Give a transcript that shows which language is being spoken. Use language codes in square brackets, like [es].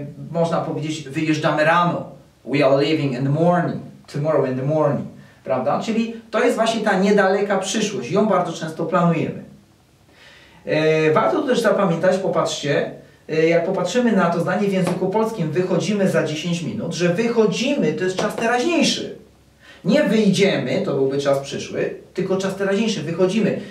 [pl] Można powiedzieć, wyjeżdżamy rano. [en] We are leaving in the morning. Tomorrow in the morning. [pl] Prawda? Czyli to jest właśnie ta niedaleka przyszłość. Ją bardzo często planujemy. Warto też zapamiętać, popatrzcie, jak popatrzymy na to zdanie w języku polskim, wychodzimy za 10 minut, że wychodzimy to jest czas teraźniejszy. Nie wyjdziemy, to byłby czas przyszły, tylko czas teraźniejszy, wychodzimy.